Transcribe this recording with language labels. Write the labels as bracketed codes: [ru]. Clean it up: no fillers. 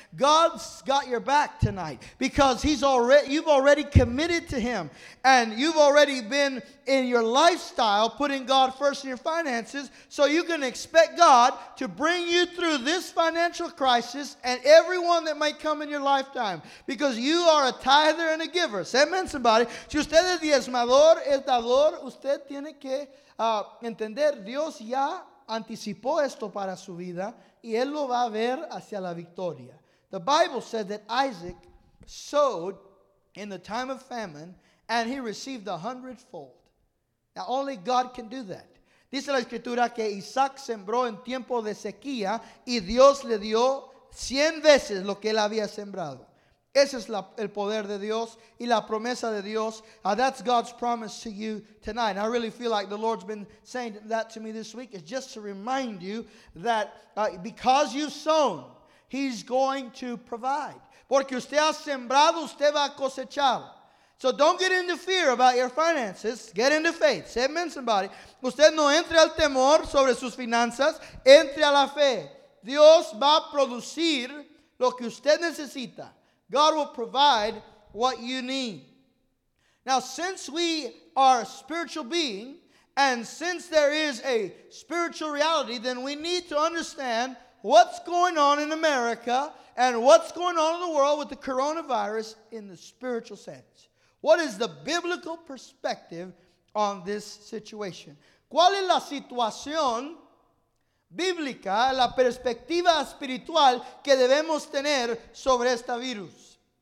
[en] God's got your back tonight because you've already committed to him, and you've already been in your lifestyle putting God first in your finances, so you can expect God to bring you through this financial crisis and everyone that might come in your lifetime because you are a tither and a giver. Say amen, somebody. [es] Si usted es diezmador, es dador, usted tiene que entender Dios ya anticipó esto para su vida y él lo va a ver hacia la victoria. [en] The Bible said that Isaac sowed in the time of famine and he received 100-fold. Now only God can do that. [es] Dice la escritura que Isaac sembró en tiempo de sequía y Dios le dio 100 veces lo que él había sembrado. Ese es el poder de Dios y la promesa de Dios. [en] That's God's promise to you tonight. And I really feel like the Lord's been saying that to me this week. It's just to remind you that because you've sown, he's going to provide. [es] Porque usted ha sembrado, usted va a cosechar. [en] So don't get into fear about your finances. Get into faith. Say amen, somebody. [es] Usted no entre al temor sobre sus finanzas. Entre a la fe. Dios va a producir lo que usted necesita. [en] God will provide what you need. Now, since we are a spiritual being, and since there is a spiritual reality, then we need to understand what's going on in America and what's going on in the world with the coronavirus in the spiritual sense. What is the biblical perspective on this situation? [es] ¿Cuál es la situación bíblica, la perspectiva espiritual que debemos tener sobre este virus?